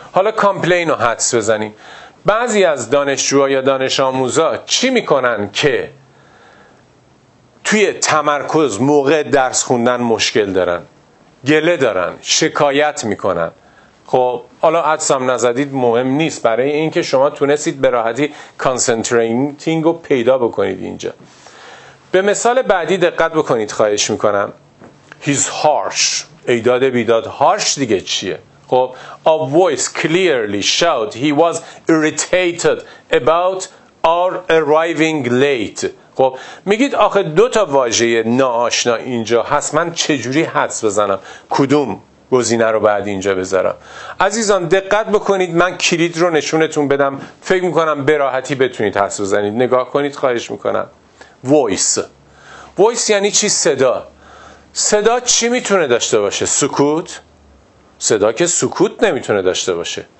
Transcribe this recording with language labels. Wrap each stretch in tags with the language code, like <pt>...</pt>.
<fa>حالا کامپلین رو حدس بزنیم. بعضی از دانشجوها یا دانش آموزا چی میکنن که توی تمرکز موقع درس خوندن مشکل دارن؟ گله دارن، شکایت میکنن. خب حالا حدسم نزدید مهم نیست، برای اینکه شما تونستید به راحتی concentrating رو پیدا بکنید اینجا. به مثال بعدی دقت بکنید خواهش میکنم.</fa> <en>He's harsh. ایداد بیداد. harsh دیگه چیه؟ خب a voice clearly showed he was irritated about our arriving late.</en> <fa>خب میگید آخه دو تا واژه ناآشنا اینجا هست، من چجوری حدس بزنم کدوم گزینه رو بعد اینجا بذارم؟ عزیزان دقت بکنید، من کلید رو نشونتون بدم، فکر میکنم براحتی بتونید حدس بزنید. نگاه کنید خواهش میکنم. voice یعنی چی؟ صدا چی میتونه داشته باشه؟ سکوت؟ صدا که سکوت نمیتونه داشته باشه.</fa>